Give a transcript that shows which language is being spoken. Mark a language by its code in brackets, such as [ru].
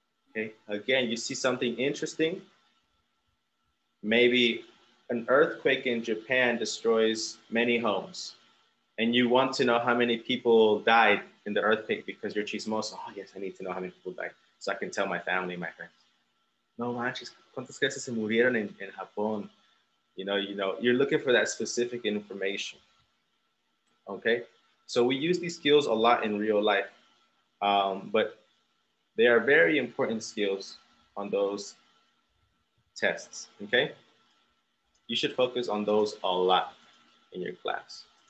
[en] Okay, again, you see something interesting. Maybe an earthquake in Japan destroys many homes. And you want to know how many people died in the earthquake because you're chismoso. Oh yes, I need to know how many people died so I can tell my family, my friends. [es] No manches, ¿cuántas casas se murieron en Japón? [en] You know, you're looking for that specific information, okay? So we use these skills a lot in real life, but they are very important skills on those tests, okay? You should focus on those a lot in your class.